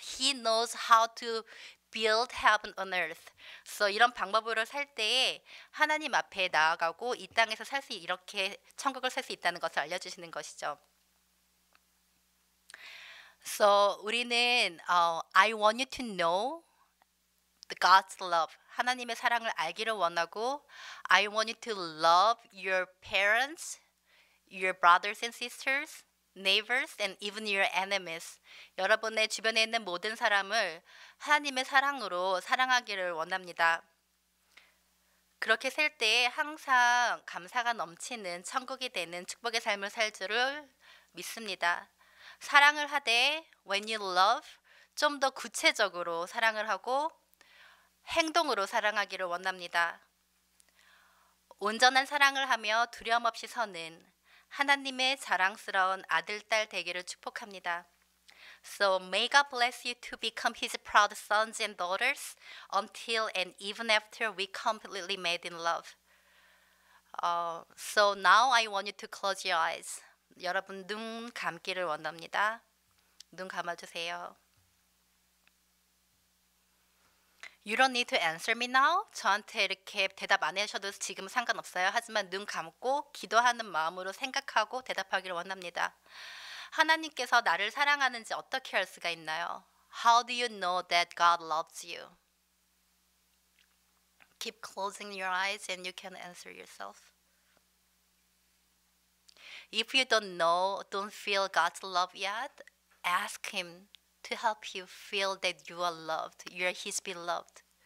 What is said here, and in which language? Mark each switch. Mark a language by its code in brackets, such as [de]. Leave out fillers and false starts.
[en] He knows how to build heaven on earth. [ko] So 이런 방법으로 살 때에 하나님 앞에 나아가고 이 땅에서 살 수 이렇게 천국을 살 수 있다는 것을 알려주시는 것이죠. [en] So [ko] 우리는 [en] I want you to know the God's love. [ko] 하나님의 사랑을 알기를 원하고 [en] I want you to love your parents, your brothers and sisters, neighbors and even your enemies. [ko] 여러분의 주변에 있는 모든 사람을 하나님의 사랑으로 사랑하기를 원합니다. 그렇게 살 때 항상 감사가 넘치는 천국이 되는 축복의 삶을 살 줄을 믿습니다. 사랑을 하되 [en] when you love [ko] 좀 더 구체적으로 사랑을 하고 행동으로 사랑하기를 원합니다. 온전한 사랑을 하며 두려움 없이 서는 하나님의 자랑스러운 아들, 딸 되기를 축복합니다. [en] So may God bless you to become his proud sons and daughters until and even after we completely made in love. So now I want you to close your eyes. [ko] 여러분 눈 감기를 원합니다. 눈 감아주세요. [en] You don't need to answer me now. [ko] 저한테 이렇게 대답 안 하셔도 지금 상관없어요. 하지만 눈 감고 기도하는 마음으로 생각하고 대답하기를 원합니다. 하나님께서 나를 사랑하는지 어떻게 알 수가 있나요? [en] How do you know that God loves you? Keep closing your eyes and you can answer yourself. If you don't know, don't feel God's love yet, ask Him to help you feel that you are loved, you are His beloved.